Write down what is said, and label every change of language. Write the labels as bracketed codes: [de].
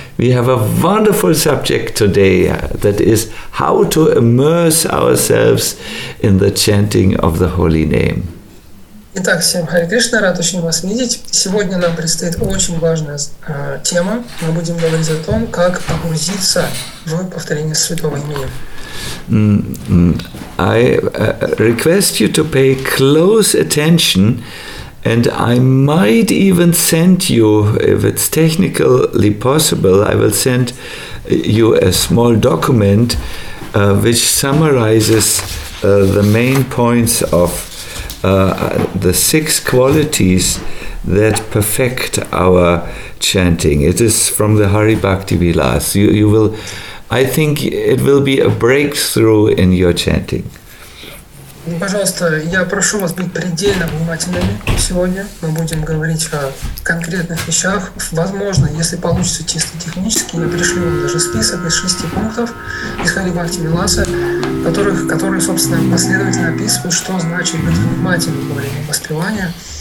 [en] We have a wonderful subject today, that is how to immerse ourselves in the chanting of the holy name. [ru] Итак, всем Харе Кришна, рад очень вас видеть. Сегодня нам предстоит очень важная тема. Мы будем говорить о том, как погрузиться в повторение святого имени. [en] I request you to pay close attention, and I might even send you, if it's technically possible, I will send you a small document which summarizes the main points of the six qualities that perfect our chanting. It is from the Hari Bhakti Vilas. You will, I think it will be a breakthrough in your chanting. [ru] Пожалуйста, я прошу вас быть предельно внимательными. Сегодня мы будем говорить о конкретных вещах. Возможно, если получится чисто технически, я пришлю вам даже список из шести пунктов из Хари Бхакти Виласа, которые, собственно, последовательно описывают, что значит быть внимательным во время воспевания.